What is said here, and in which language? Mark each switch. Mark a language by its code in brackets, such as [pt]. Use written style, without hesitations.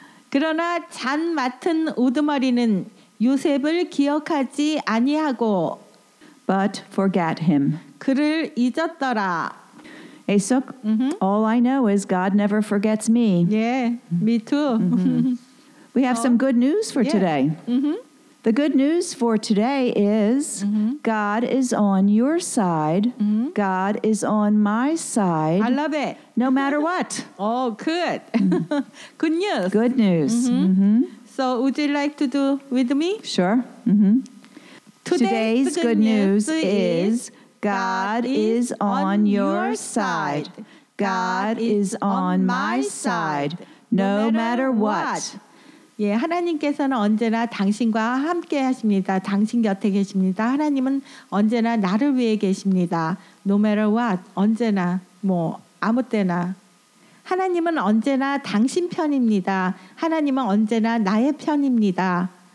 [ko] 그러나 잔 맡은 우두머리는 요셉을 기억하지 아니하고 [en] But forget him. [ko] 그를 잊었더라. [en] Aesuk, all I know is God never forgets me. Yeah, me too. We have some good news for today. The good news for today is God is on your side. God is on my side. I love it. No matter what. Oh, good. Good news. Good news. So would you like to do with me? Sure. Today's good news is God is on your side. God is on my side. No matter what. [ko] 예, 하나님께서는 언제나 당신과 함께 하십니다. 당신 곁에 계십니다. 하나님은 언제나 나를 위해 계십니다. [en] No matter what, [ko] 언제나, 뭐 아무 때나. 하나님은 언제나 당신 편입니다. 하나님은 언제나 나의 편입니다.